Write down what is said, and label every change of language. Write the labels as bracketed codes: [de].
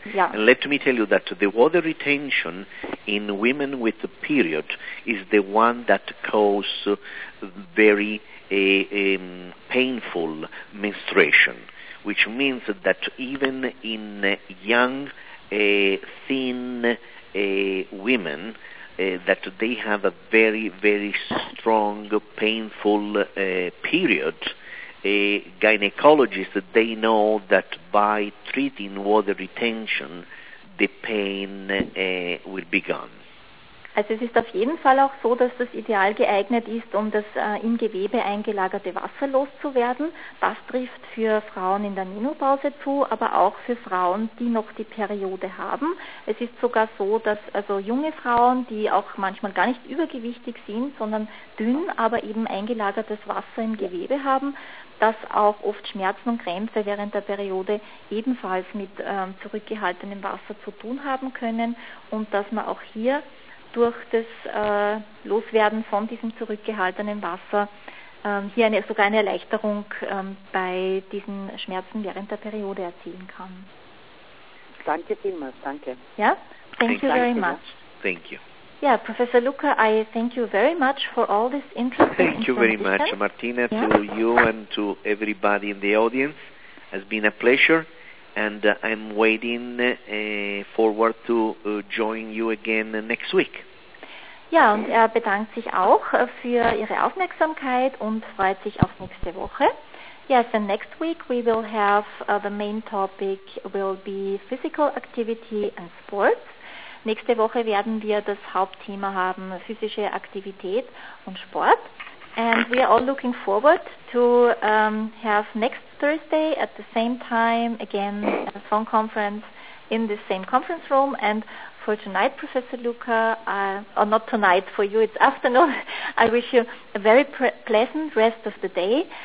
[en] And let me tell you that the water retention in women with the period is the one that causes very painful menstruation, which means that even in young, thin women, that they have a very, very strong, painful period. A gynecologist, they know that by treating water retention, the pain will be gone. [de] Also es ist auf jeden Fall auch so, dass das ideal geeignet ist, um das im Gewebe eingelagerte Wasser loszuwerden. Das trifft für Frauen in der Menopause zu, aber auch für Frauen, die noch die Periode haben. Es ist sogar so, dass also junge Frauen, die auch manchmal gar nicht übergewichtig sind, sondern dünn, aber eben eingelagertes Wasser im Gewebe haben, dass auch oft Schmerzen und Krämpfe während der Periode ebenfalls mit zurückgehaltenem Wasser zu tun haben können und dass man auch hier durch das Loswerden von diesem zurückgehaltenen Wasser hier sogar eine Erleichterung bei diesen Schmerzen während der Periode erzielen kann. Danke vielmals, danke. [en] Ja, thank you very much. Thank you. Yeah, Professor Luca, I thank you very much for all this interesting information. Thank you very much, Martina, to you and to everybody in the audience. It's been a pleasure, and I'm waiting forward to join you again next week. [de] Ja, und er bedankt sich auch für Ihre Aufmerksamkeit und freut sich auf nächste Woche. [en] Yes, and next week we will have the main topic will be physical activity and sports. [de] Nächste Woche werden wir das Hauptthema haben, physische Aktivität und Sport. [en] And we are all looking forward to have next Thursday at the same time again a phone conference in the same conference room. And for tonight, Professor Luca, or not tonight for you, it's afternoon, I wish you a very pleasant rest of the day.